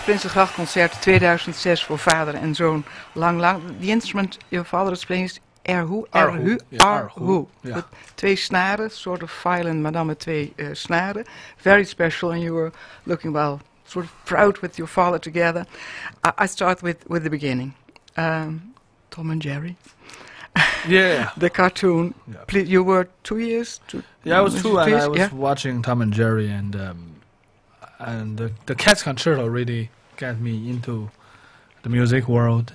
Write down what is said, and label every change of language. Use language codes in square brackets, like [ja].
[nl] Prinsengrachtconcert 2006 voor vader en zoon. Lang, lang. [en] The instrument your father is playing is erhu. [nl] Erhu. Erhu. Ja. Twee snaren, [en] sort of violin, [nl] maar dan met twee snaren. [en] Very special and you were looking well, sort of proud with your father together. I start with the beginning. Tom and Jerry. Yeah. The cartoon. Yeah. Please, you were 2 years? I was watching Tom and Jerry and the Cats Concerto really got me into the music world.